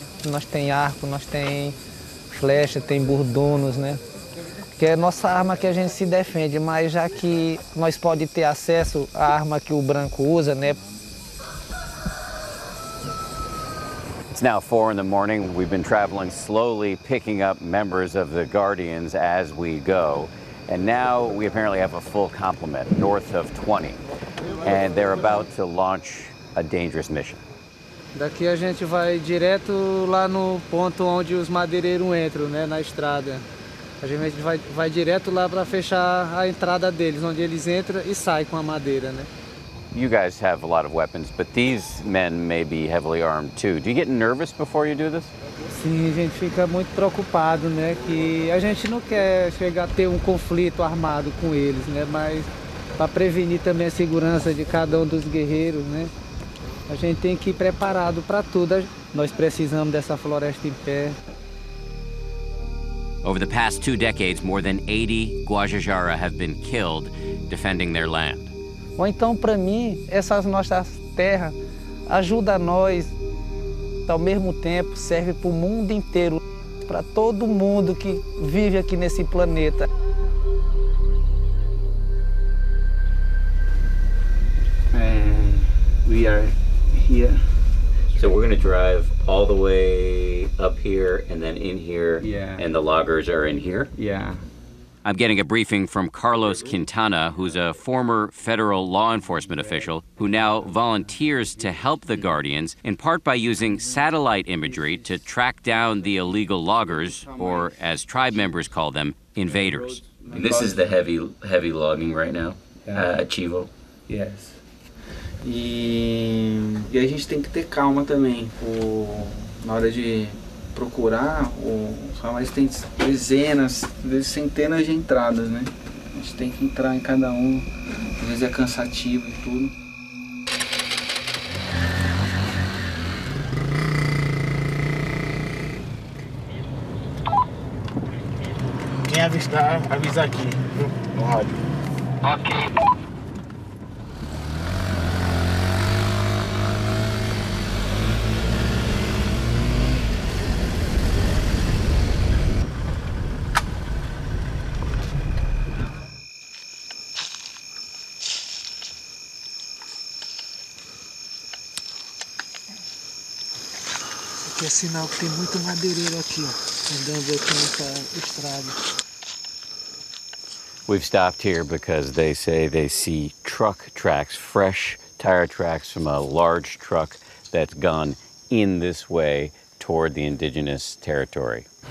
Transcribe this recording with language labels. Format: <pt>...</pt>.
<pt>Nós tem arco, nós tem flecha, tem bordunos, né? Que é nossa arma que a gente se defende, mas já que nós pode ter acesso à arma que o branco usa, né?</pt> <en>It's now 4 a.m. We've been traveling slowly, picking up members of the Guardians as we go. And now we apparently have a full complement, north of 20. And they're about to launch a dangerous mission.</en> <pt>Daqui a gente vai direto lá no ponto onde os madeireiros entram, né, na estrada. A gente vai direto lá para fechar a entrada deles, onde eles entram e saem com a madeira, né?</pt> <en>You guys have a lot of weapons, but these men may be heavily armed too. Do you get nervous before you do this?</en> <pt>Sim, a gente fica muito preocupado, né, que a gente não quer chegar a ter um conflito armado com eles, né, mas para prevenir também a segurança de cada um dos guerreiros, né, a gente tem que ir preparado para tudo. Nós precisamos dessa floresta em pé.</pt> <en>Over the past two decades, more than 80 Guajajara have been killed defending their land.</en> <pt>Ou então, para mim, essas nossas terras ajudam a nós, ao mesmo tempo, serve para o mundo inteiro, para todo mundo que vive aqui nesse planeta.</pt> <en>And we are here. So we're going to drive all the way up here and then in here. Yeah. And the loggers are in here? Yeah. I'm getting a briefing from Carlos Quintana, who's a former federal law enforcement official who now volunteers to help the guardians, in part by using satellite imagery to track down the illegal loggers, or as tribe members call them, invaders. And this is the heavy logging right now, Chivo. Yes.</en> <pt>E a gente tem que ter calma também na hora de procurar, são mais tem dezenas, às vezes centenas de entradas, né? A gente tem que entrar em cada um, às vezes é cansativo e tudo. Quem avisar aqui, viu? No rádio.</pt> <en>Ok.</en> <pt>É sinal que tem muito madeireiro aqui, ó, andando aqui nessa estrada.</pt> <en>We've stopped here because they say they see truck tracks, fresh tire tracks from a large truck that's gone in this way toward the indigenous territory.</en>